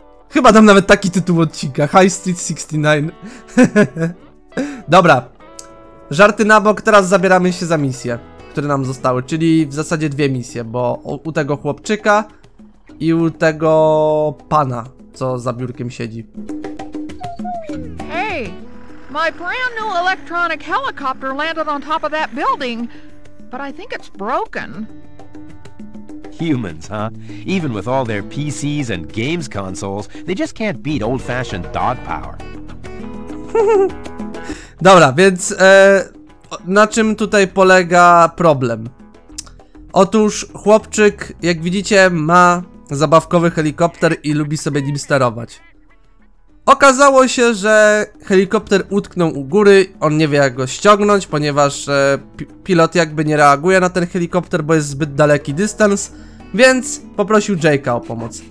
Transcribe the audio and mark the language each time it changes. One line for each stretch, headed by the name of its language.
Polish: Chyba dam nawet taki tytuł odcinka. High Street 69. Dobra. Żarty na bok, teraz zabieramy się za misje, które nam zostały, czyli w zasadzie dwie misje, bo u tego chłopczyka i u tego pana, co za biurkiem siedzi.
English: Hey. My brand new electronic helicopter landed on top of that building, but I think it's broken. Humans, huh? Even with all their PCs and games consoles, they just can't beat old-fashioned dog power.
Polish: Dobra, więc na czym tutaj polega problem? Otóż chłopczyk, jak widzicie, ma zabawkowy helikopter i lubi sobie nim sterować. Okazało się, że helikopter utknął u góry, on nie wie jak go ściągnąć, ponieważ pilot jakby nie reaguje na ten helikopter, bo jest zbyt daleki dystans, więc poprosił Jake'a o pomoc.